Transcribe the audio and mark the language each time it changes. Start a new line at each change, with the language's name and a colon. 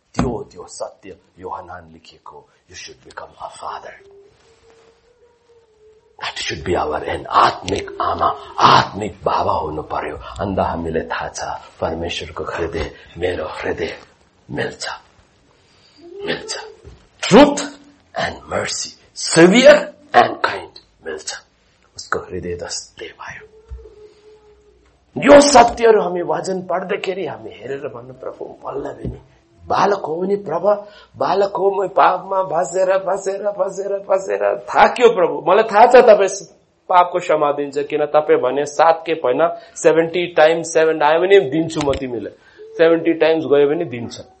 Nepali: त्यो सत्य योहानान लिखेको,
English: You should become a father, that should be our end.
Nepali: आत्मिक आमा, आत्मिक बाबा हुनु पर्यो। अन्त हामीले थाहा छ परमेश्वरको हृदय मेरो हृदय मिल्छ मिल्छ।
English: Truth and mercy, severe and kind
Nepali: मिल्छ। उसको हृदय जस्तै भयो। यो सत्यहरू हामी वचन पढ्दाखेरि हामी हेरेर भन्नु, प्रभु मलाई पनि बालक हो नि, प्रभु बालक हो, म पापमा फसेर फसेर फसेर फसेर थाक्यो प्रभु। मलाई थाहा छ तपाईँ पापको क्षमा दिन्छ, किन तपाईँ भने 7 खेप होइन
English: 70 times 7
Nepali: आयो भने दिन्छु म तिमीलाई,
English: 70 times
Nepali: गयो भने दिन्छ।